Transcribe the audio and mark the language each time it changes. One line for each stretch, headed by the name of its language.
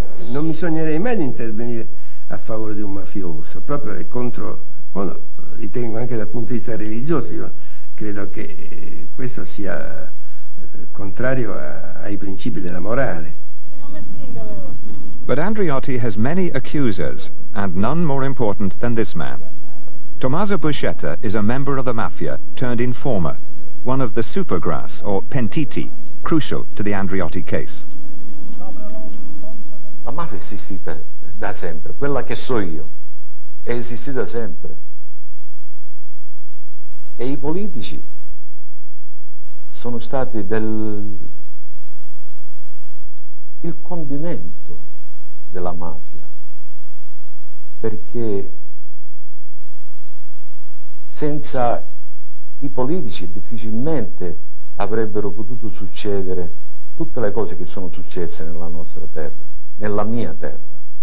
Italian: Non bisognerei mai intervenire a favore di un mafioso, proprio è contro, bueno, ritengo anche dal punto di vista religioso, io credo che questo sia contrario ai principi della morale.
English: But Andreotti has many accusers, and none more important than this man. Tommaso Buscetta is a member of the mafia turned informer, one of the supergrass, or pentiti, crucial to the Andreotti case.
Italian: La mafia è esistita da sempre, quella che so io, è esistita sempre. E i politici sono stati il condimento della mafia, perché senza i politici difficilmente avrebbero potuto succedere tutte le cose che sono successe nella nostra terra, nella mia terra.